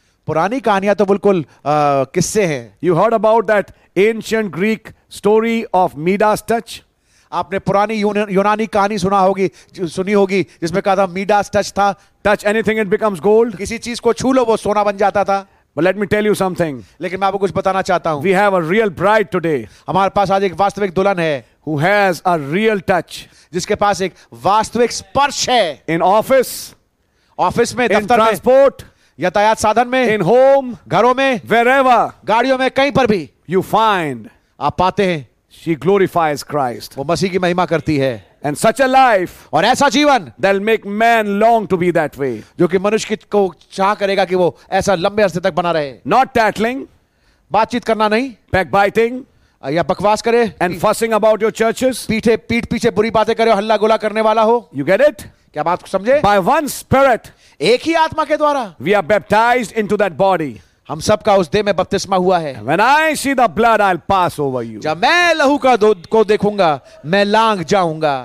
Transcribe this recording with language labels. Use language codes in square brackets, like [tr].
[hi] पुरानी कहानियां तो बिल्कुल किस्से हैं. [en] You heard about that ancient Greek story of Midas touch? [hi] आपने पुरानी यूनानी कहानी सुना होगी, सुनी होगी, जिसमें कहा था मीडास टच था. [en] Touch anything it becomes gold. [hi] किसी चीज को छू लो वो सोना बन जाता था. [en] But let me tell you something. [hi] लेकिन मैं आपको कुछ बताना चाहता हूँ. [en] We have a real bride today. [hi] हमारे पास आज एक वास्तविक दुल्हन है. [en] Who has a real touch. [hi] जिसके पास एक वास्तविक स्पर्श है. [en] In office. [hi] ऑफिस में. [en] In transport. [hi] यातायात साधन में. [en] In home. [hi] घरों में. [en] Wherever. [hi] गाड़ियों में, कहीं पर भी. [en] You find. [hi] आप पाते हैं. [en] She glorifies Christ. [hi] वो मसीह की महिमा करती है. [en] And such a life, [hi] और ऐसा जीवन, [en] that'll make man long to be that way. [hi] जो कि मनुष्य को चाह करेगा कि वो ऐसा लंबे अरसे तक बना रहे. [en] Not tattling, [hi] बातचीत करना नहीं. [en] Backbiting, [hi] या बकवास करे. [en] And fussing about your churches, [hi] पीठे पीठ पीछे बुरी बातें करे, हल्ला गुला करने वाला हो. [en] You get it? [hi] क्या बात समझे? [en] By one spirit, [hi] एक ही आत्मा के द्वारा, [en] we are baptized into that body. [hi] हम सब का उस देह में बपतिस्मा हुआ है. [en] When I see the blood, I'll pass over you. [hi] जब मैं लहू का दूध को देखूंगा, मैं लांग जाऊंगा.